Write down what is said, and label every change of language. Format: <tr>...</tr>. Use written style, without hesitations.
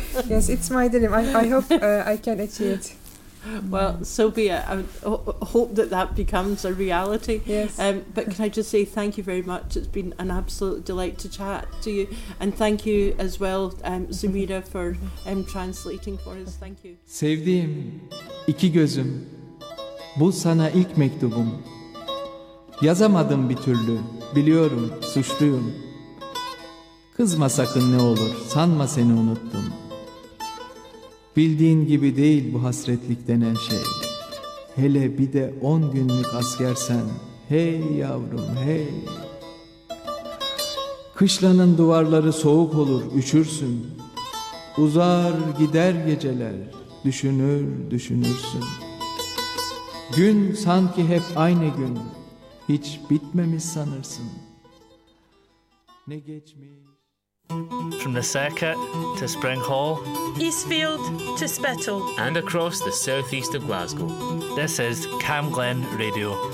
<en>Yes, it's my dream. I hope I can achieve it. Well, so be it. I hope that becomes a reality. Yes. But can I just say thank you very much. It's been an absolute delight to chat to you. And thank you as well, Sumira, for translating for us. Thank you.</en> <tr>Sevdiğim, iki gözüm, bu sana ilk mektubum. Yazamadım bir türlü, biliyorum, suçluyum. Kızma sakın ne olur, sanma seni unuttum. Bildiğin gibi değil bu hasretlik denen şey. Hele bir de 10 günlük askersen, hey yavrum hey. Kışlanın duvarları soğuk olur, üşürsün. Uzar gider geceler, düşünür düşünürsün. Gün sanki hep aynı gün, hiç bitmemiş sanırsın. Ne geçmiş.</tr> <en>From the circuit to Spring Hall, Eastfield to Spittal, and across the southeast of Glasgow, this is Cam Glen Radio.</en>